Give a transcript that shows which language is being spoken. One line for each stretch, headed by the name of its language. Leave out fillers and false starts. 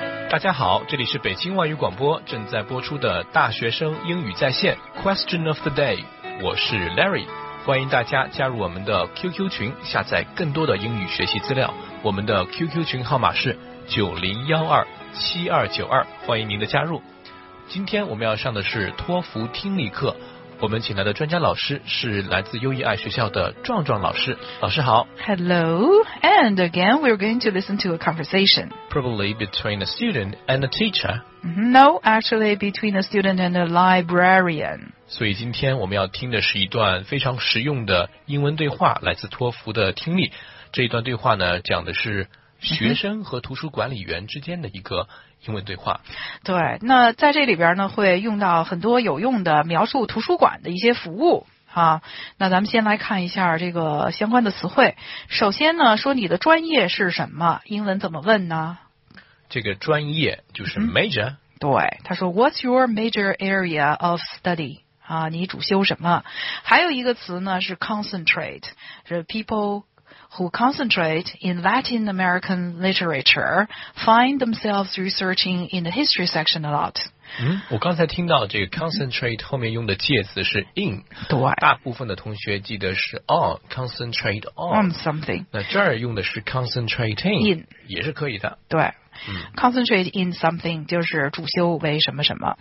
Chinese: 大家好，这里是北京外语广播正在播出的大学生英语在线
English: Question of the Day，
Chinese: 我是 Larry， 欢迎大家加入我们的 QQ 群，下载更多的英语学习资料。我们的 QQ 群号码是90127292，欢迎您的加入。今天我们要上的是托福听力课，我们请来的专家老师是来自优异爱学校的壮壮老师。老师好。
English: Hello, and again, we're going to listen to a conversation. Probably between a student and a teacher. No, actually between a student and a librarian.
Chinese: 所以今天我们要听的是一段非常实用的英文对话，来自托福的听力。这一段对话呢，讲的是学生和图书管理员之间的一个英文对话。对，那在这里边呢会用到很多有用的描述图书馆的一些服务啊。那咱们先来看一下这个相关的词汇。首先呢，说你的专业是什么，英文怎么问呢？这个专业就是 major、嗯、对，他说
English: What's your major area of study？
Chinese: 啊，你主修什么。还有一个词呢是
English: concentrate， 是 peoplewho concentrate in Latin American literature find themselves researching in the history section a lot.
Chinese: 我刚才听到这个 concentrate 后面用的介词是 in. 对。大部分的同学记得是 on,
English: concentrate on something.
Chinese: 那这儿用的是 concentrating,
English: in,
Chinese: 也是可以的。对。
English: Concentrate in something
Chinese: 就是主修为什么什么、